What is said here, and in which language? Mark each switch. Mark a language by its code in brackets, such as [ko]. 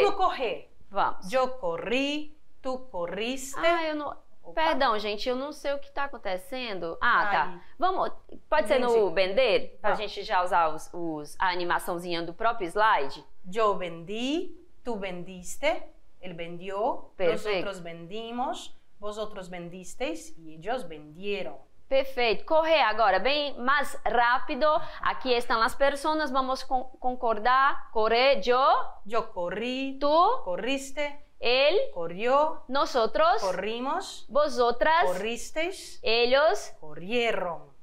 [pt] no correr. Vamos. Eu corri, tu corriste. Ah, eu não. Opa. Perdão, gente, eu não sei o que está acontecendo. Ah, tá. Vamos. Pode ser no vender? Pra gente já usar a animaçãozinha do próprio slide. Eu vendi, tu vendiste. Ele vendiu. Perfeito. [es] Nosotros vendimos, vosotros vendisteis e ellos vendieron. [pt] Perfeito. Correr agora, bem mais rápido. Aqui estão as pessoas, vamos concordar. [es] Correr, yo. Yo corri. Tu. Corriste. Él. Corrió. Nosotros. Corrimos. Vosotras. Corristeis. Ellos. Corrieron.